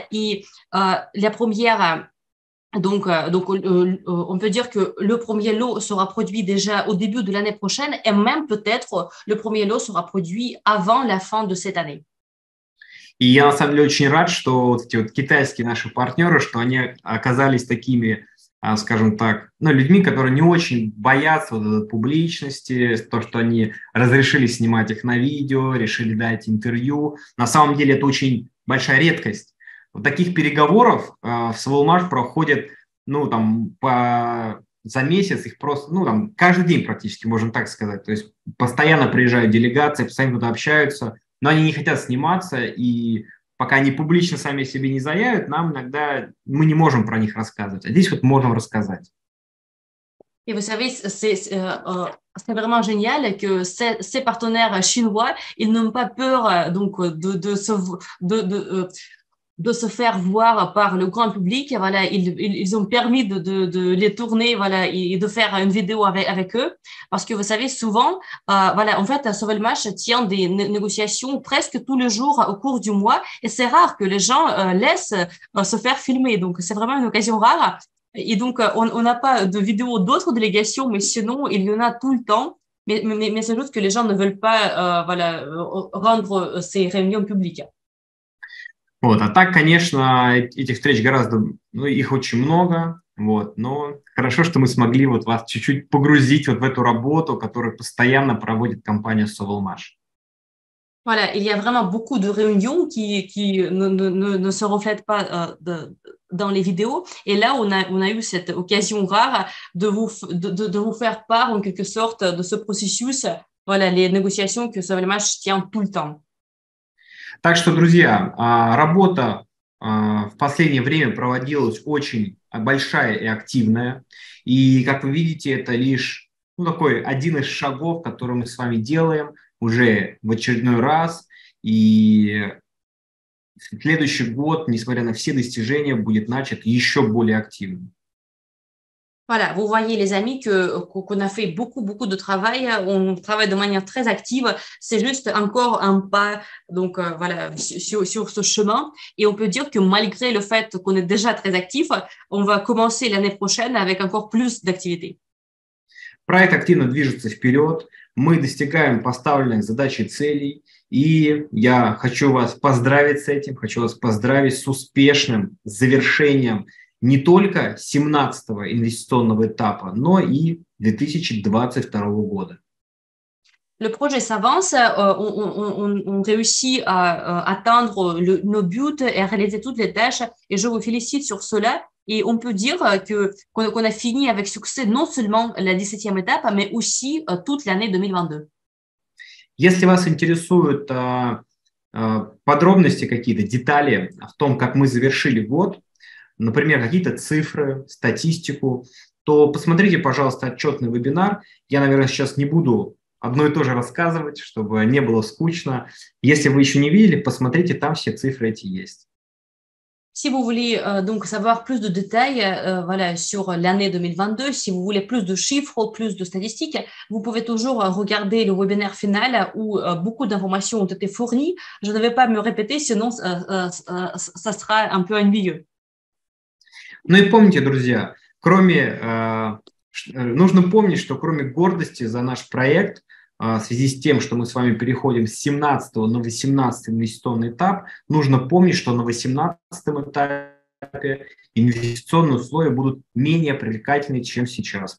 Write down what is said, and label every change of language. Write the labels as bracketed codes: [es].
[fr] Et la première... Donc, on peut dire que le premier lot sera produit déjà au début de l'année prochaine et même peut-être le premier lot sera produit avant la fin de cette année. [ru] И я, на самом деле, очень рад, что вот эти вот китайские наши партнеры, что они оказались такими, скажем так, ну, людьми, которые не очень боятся вот этой публичности, то, что они разрешили снимать их на видео, решили дать интервью. На самом деле, это очень большая редкость. Вот таких переговоров в Sovelmash проходит, ну, там, за месяц их просто, ну, там, каждый день практически, можно так сказать. То есть постоянно приезжают делегации, постоянно туда общаются, но они не хотят сниматься, и пока они публично сами себе не заявят, нам иногда мы не можем про них рассказывать. А здесь вот можем рассказать. [fr] Et vous savez, c'est vraiment génial que ces partenaires chinois, ils n'ont pas peur, donc, de se faire voir par le grand public, voilà, ils ont permis de les tourner, voilà, et de faire une vidéo avec eux, parce que vous savez, souvent, voilà, en fait, Sovelmash tient des négociations presque tous les jours au cours du mois, et c'est rare que les gens laissent se faire filmer, donc c'est vraiment une occasion rare, et donc on n'a pas de vidéo d'autres délégations, mais sinon, il y en a tout le temps, mais c'est juste que les gens ne veulent pas, voilà, rendre ces réunions publiques. [ru] Вот, а так, конечно, этих встреч гораздо, ну, их очень много, вот, но хорошо, что мы смогли вот вас чуть-чуть погрузить вот в эту работу, которую постоянно проводит компания Sovelmash. [fr] Voilà, il y a vraiment beaucoup de réunions qui ne se reflètent pas dans les vidéos, et là, on a eu cette occasion rare de vous faire part, en quelque sorte, de ce processus, voilà, les négociations que Sovelmash tient tout le temps. [ru] Так что, друзья, работа в последнее время проводилась очень большая и активная. И, как вы видите, это лишь ну, такой один из шагов, который мы с вами делаем уже в очередной раз. И следующий год, несмотря на все достижения, будет начат еще более активным. [fr] Voilà, vous voyez les amis qu'on a fait beaucoup, beaucoup de travail, on travaille de manière très active, c'est juste encore un pas donc, voilà, sur ce chemin et on peut dire que malgré le fait qu'on est déjà très actif, on va commencer l'année prochaine avec encore plus d'activités. [ru] Проект активно движется вперед, мы достигаем поставленных задач и целей, и я хочу вас поздравить с этим, хочу вас поздравить с успешным завершением не только 17-го инвестиционного этапа, но и 2022 года. [fr] Le projet s'avance, on réussit à atteindre nos buts et à réaliser toutes les tâches, et je vous félicite sur cela, et on peut dire qu'on a fini avec succès non seulement la 17e étape, mais aussi toute l'année 2022. [ru] Если вас интересует подробности какие-то, детали в том, как мы завершили год, например, какие-то цифры, статистику, то посмотрите, пожалуйста, отчетный вебинар. Я, наверное, сейчас не буду одно и то же рассказывать, чтобы не было скучно. Если вы еще не видели, посмотрите, там все цифры эти есть. [fr] Si vous voulez donc savoir plus de détails voilà, sur l'année 2022, si vous voulez plus de chiffres, plus de statistiques, vous pouvez toujours regarder le webinaire final où beaucoup d'informations ont été fournies. Je ne vais pas me répéter, sinon ça sera un peu ennuyeux. [ru] Ну и помните, друзья, кроме, нужно помнить, что кроме гордости за наш проект, в связи с тем, что мы с вами переходим с 17 на 18 инвестиционный этап, нужно помнить, что на 18 этапе инвестиционные условия будут менее привлекательны, чем сейчас.